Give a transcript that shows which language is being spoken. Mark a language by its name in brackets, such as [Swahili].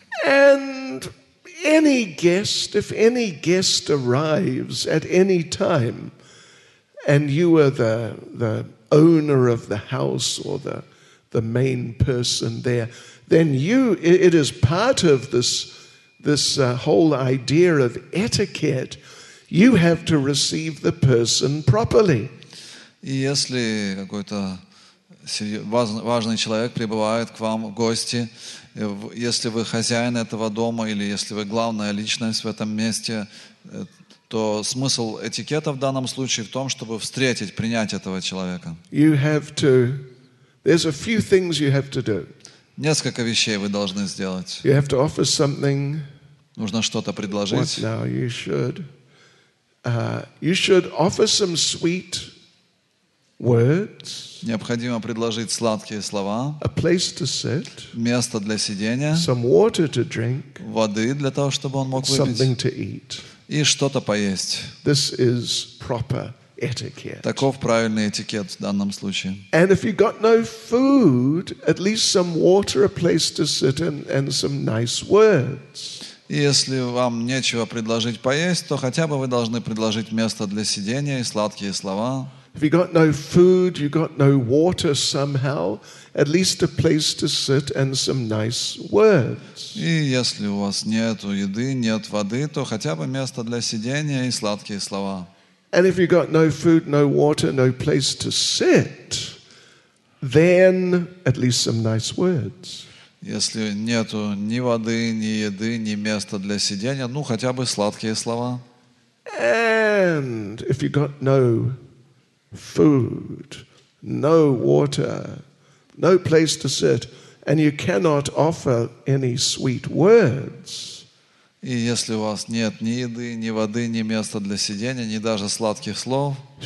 [English] And if any guest arrives at any time and you are the owner of the house or the main person there, then it is part of this whole idea of etiquette, you have to receive the person properly. [Russian] Если какой-то важный человек прибывает к вам в гости, если вы хозяин этого дома или если вы главная личность в этом месте, то смысл этикета в данном случае в том, чтобы встретить, принять этого человека. [English] You have to, there's a few things you have to do. [Russian] Несколько вещей вы должны сделать. [English] You have to offer something. [Russian] Нужно что-то предложить. [English] What now? You should offer some sweet words. [Russian] Необходимо предложить сладкие слова. [English] A place to sit. [Russian] Место для сидения. [English] Some water to drink. [Russian] Воды для того, чтобы он мог выпить. [English] Something to eat. [Russian] И что-то поесть. [English] This is proper etiquette. [Russian] Таков правильный этикет в данном случае. [English] And if you got no food, at least some water, a place to sit, and some nice words. [Russian] Если вам нечего предложить поесть, то хотя бы вы должны предложить место для сидения и сладкие слова. [English] If you got no food, you got no water somehow, at least a place to sit and some nice words. [Russian] И если у вас нету еды, нет воды, то хотя бы место для сидения и сладкие слова. [English] And if you got no food, no water, no place to sit, then at least some nice words. [Russian] Если нету ни воды, ни еды, ни места для сидения, ну хотя бы сладкие слова. [English] And if you got no food, no water, no place to sit, and you cannot offer any sweet words. [Russian] И если у вас нет ни еды, ни воды, ни места для сидения, ни даже сладких слов.